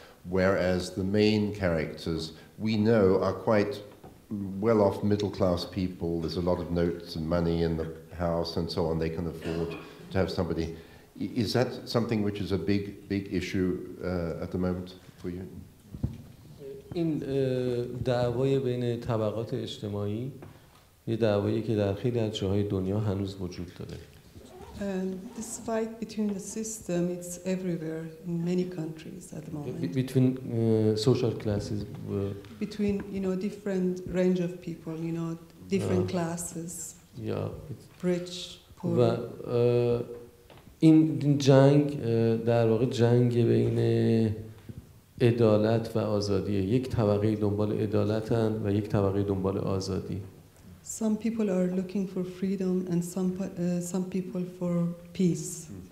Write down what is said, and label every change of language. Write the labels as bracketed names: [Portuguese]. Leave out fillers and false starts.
[English] Whereas the main characters we know are quite well-off, middle-class people. There's a lot of notes and money in the house and so on. They can afford to have somebody. Is that something which is a big, big issue at the moment for you? In [Persian] دعوای بین طبقات اجتماعی یه دعوایی که در خیلی از جاهای دنیا هنوز وجود داره. [English] This fight between the system, it's everywhere in many countries at the moment. Between social classes. Between different range of people, different classes. Yeah. Rich, poor. [Persian] این جنگ در واقع جنگ بین عدالت و آزادی یک طبقه دنبال عدالتن و یک طبقه دنبال آزادی. [English] Some people are looking for freedom and some people for peace.